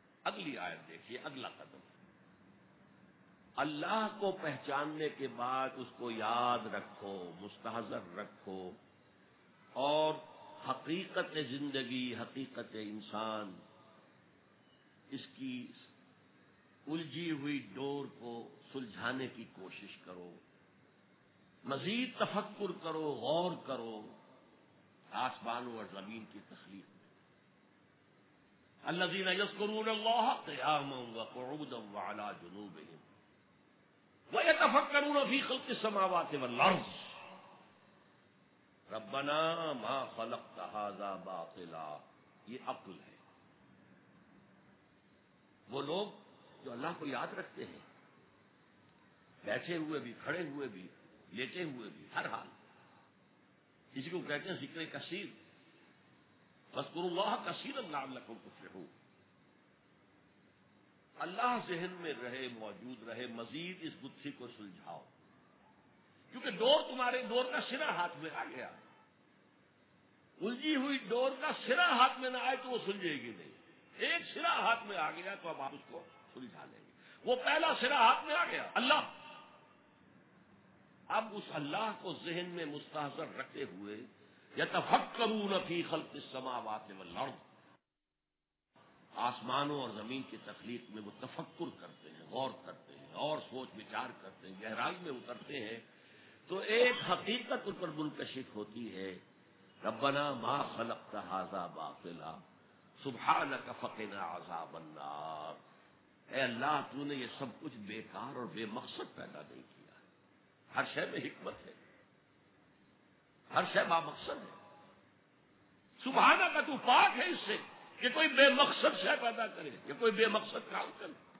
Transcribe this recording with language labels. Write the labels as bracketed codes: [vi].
[ur] اگلی آیت دیکھیے، اگلا قدم. اللہ کو پہچاننے کے بعد اس کو یاد رکھو، مستحضر رکھو، اور حقیقت زندگی، حقیقت انسان، اس کی الجھی ہوئی ڈور کو سلجھانے کی کوشش کرو، مزید تفکر کرو، غور کرو آسمانوں اور زمین کی تخلیق. [ar] الذين يذكرون الله قياما وقعودا وعلى جنوبهم ويتفكرون في خلق السماوات والارض ربنا ما خلقت هذا باطلا. [ur] یہ عقل ہے. وہ لوگ جو اللہ کو یاد رکھتے ہیں، بیٹھے ہوئے بھی، کھڑے ہوئے بھی، لیٹے ہوئے بھی، ہر حال. کسی کو کہتے ہیں ذکر کثیر، [ar] فاذکروا اللہ کثیرا لعلکم تفلحون. [ur] اللہ ذہن میں رہے، موجود رہے، مزید اس گتھی کو سلجھاؤ، کیونکہ ڈور تمہارے ڈور کا سرا ہاتھ میں آ گیا. الجھی ہوئی ڈور کا سرا ہاتھ میں نہ آئے تو وہ سلجھے گی نہیں. ایک سرا ہاتھ میں آ گیا تو اب آپ اس کو سلجھا لیں گے. وہ پہلا سرا ہاتھ میں آ گیا، اللہ. اب اس اللہ کو ذہن میں مستحضر رکھتے ہوئے [ar] يَتَفَكَّرُونَ فِي خَلْقِ السَّمَاوَاتِ وَالْأَرْضِ، [ur] آسمانوں اور زمین کی تخلیق میں وہ تفکر کرتے ہیں، غور کرتے ہیں، اور سوچ وچار کرتے ہیں، گہرائی میں اترتے ہیں، تو ایک حقیقت ان پر منکشف ہوتی ہے. [ar] ربنا ما خلقت هذا باطلا سبحانك فقنا عذاب النار. [ur] اے اللہ، تو نے یہ سب کچھ بیکار اور بے مقصد پیدا نہیں کیا. ہر شے میں حکمت ہے، ہر شے با مقصد ہے. سبحانہ کا تو پاک ہے اس سے کہ کوئی بے مقصد شے پیدا کرے، کہ کوئی بے مقصد کام کرے.